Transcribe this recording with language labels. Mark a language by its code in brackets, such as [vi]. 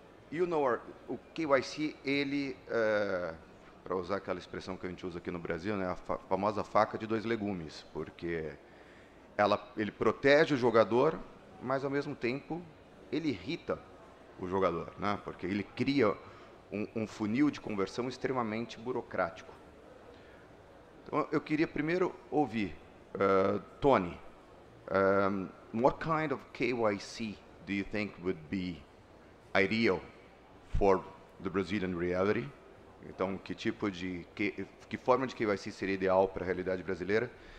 [pt] E o KYC, ele, para usar aquela expressão que a gente usa aqui no Brasil, né, a famosa faca de dois legumes, porque ele protege o jogador, mas, ao mesmo tempo, ele irrita o jogador, né, porque ele cria um funil de conversão extremamente burocrático. Então, eu queria primeiro ouvir, [en] Tony, what kind of KYC do you think would be ideal for the Brazilian reality? [pt] Então, que tipo de que forma de KYC seria ideal para a realidade brasileira?